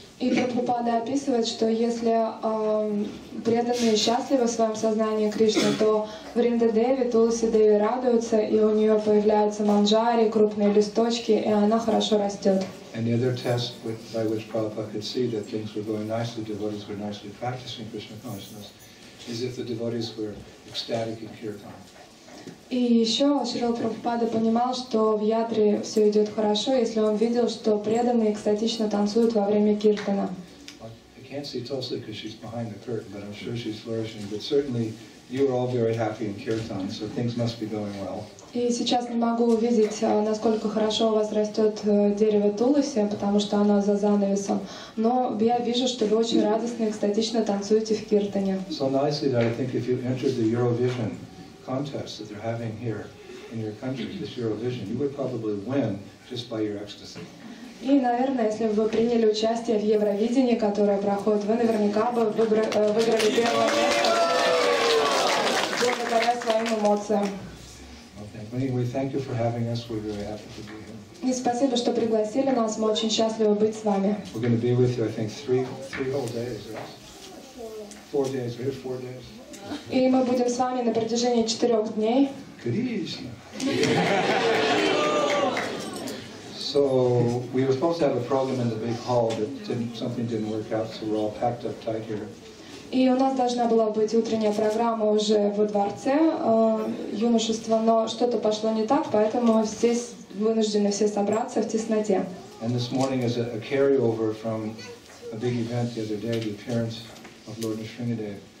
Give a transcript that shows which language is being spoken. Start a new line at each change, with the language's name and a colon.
Russian: И Прабхупада описывает, что если преданные счастливы в своем сознании Кришны, то Вриндадеви, Туласи Деви радуются, и у нее появляются манджари, крупные листочки, и она хорошо растет.
English: And the other test by which Prabhupada could see that things were going nicely, devotees were nicely practicing Krishna consciousness, is if the devotees were ecstatic in kirtan.
Russian: И еще Шрила Прабхупада понимал, что в ятре все идет хорошо, если он видел, что преданные экстатично танцуют во время киртана.
English: I can't see Tulsi because she's behind the curtain, but I'm sure she's flourishing. But certainly you are all very happy in kirtan, so things must be going well.
Russian: И сейчас не могу увидеть, насколько хорошо у вас растет дерево Туласи, потому что оно за занавесом. Но я вижу, что вы очень радостно и экстатично танцуете в киртане.
English: So nicely that I think if you entered the Eurovision contest that they're having here in your country, this Eurovision, you would probably win just by your ecstasy.
Russian: И, наверное, если бы вы приняли участие в Евровидении, которое проходит, вы наверняка бы выиграли первое место благодаря своим эмоциям.
English: Okay. Anyway, thank you for having us. We're very happy to be here.
Russian: И спасибо, что пригласили нас. Мы очень счастливы быть с вами.
English: We're going to be with you, I think, three whole days, right? Four days. We're here 4 days.
Russian: И мы будем с вами на протяжении 4 дней. Кришна.
English: So we were supposed to have a program in the big hall, but something didn't work out, so we're all packed up tight here.
Russian: И у нас должна была быть утренняя программа уже во дворце юношества, но что-то пошло не так, поэтому здесь вынуждены все собраться в тесноте.
English: And this morning is a carryover from a big event the other day, the appearance of Lord Nrsimhadev.